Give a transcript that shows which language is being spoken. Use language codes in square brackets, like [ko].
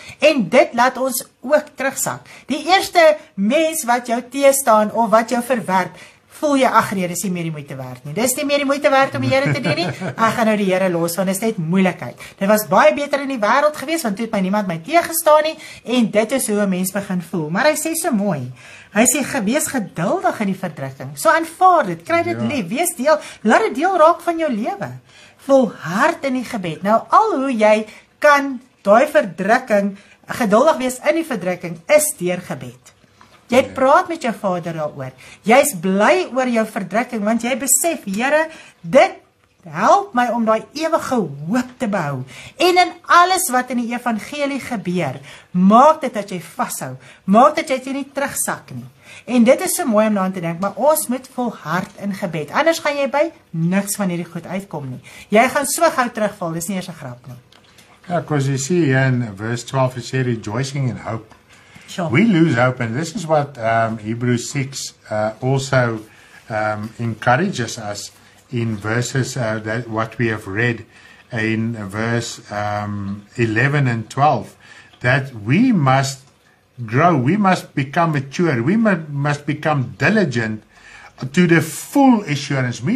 [af] En dit laat ons ook terugsak. Die eerste mens wat jou teë staan of wat jou verwerp, voel jy agrede, is nie meer die moeite werd nie. Dis nie meer die moeite werd om die Here te dien nie. Ek gaan nou die Here los want dit is net moeilikheid. Dit was baie beter in die wêreld gewees want toe het my niemand my teë gestaan nie en dit is hoe 'n mens begin voel. Maar hy sê so mooi. Hy sê gewees geduldig in die verdrukking. So aanvaar dit, kry dit lief, wees deel, laat dit deel raak van jou lewe. Volhard in die gebed. Nou al hoe jy kan daai verdrukking, geduldig wees in die verdrukking, is deur gebed. Jy praat met jou Vader daaroor. Jy is bly oor jou verdrukking, want jy besef, Here, dit help my om daai ewige hoop te behou. En in alles wat in die evangelie gebeur, maak dit dat jy vashou. Maak dat jy nie terugsak nie. En dit is so mooi om daaraan te dink, maar ons moet volhard in gebed. Anders gaan jy by niks van hierdie goed uitkom nie. Jy gaan so gou terugval, dis nie eers 'n grap nie. [en] Yeah, because you see in verse 12, it said rejoicing in hope. Sure. We lose hope, and this is what Hebrews 6 also encourages us in verses that what we have read in verse 11 and 12, that we must grow, we must become mature, we must become diligent to the full assurance.